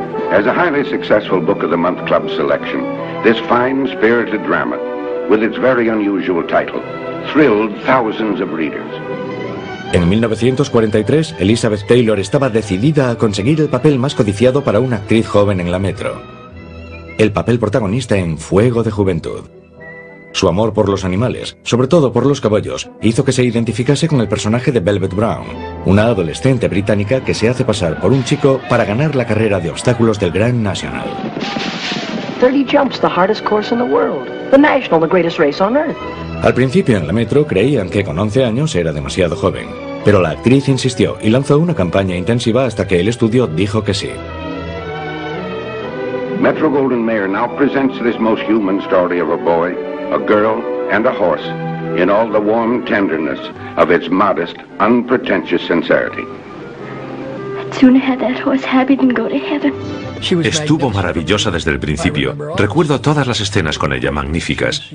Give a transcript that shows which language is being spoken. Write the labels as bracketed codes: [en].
[en] As a highly successful Book of the Month Club selection, this fine, spirited drama, with its very unusual title, thrilled thousands of readers. [es] En 1943, Elizabeth Taylor estaba decidida a conseguir el papel más codiciado para una actriz joven en la Metro. El papel protagonista en Fuego de Juventud. Su amor por los animales, sobre todo por los caballos, hizo que se identificase con el personaje de Velvet Brown, una adolescente británica que se hace pasar por un chico para ganar la carrera de obstáculos del Grand National. [en] 30 jumps, the hardest course in the world. The National, the greatest race on earth. [es] Al principio en la Metro creían que con 11 años era demasiado joven, pero la actriz insistió y lanzó una campaña intensiva hasta que el estudio dijo que sí. [en] Metro-Goldwyn-Mayer now presents this most human story of a boy, a girl and a horse in all the warm tenderness of its modest, unpretentious sincerity. I'd sooner have that horse happy than go to heaven. [es] Estuvo maravillosa desde el principio. Recuerdo todas las escenas con ella, magníficas.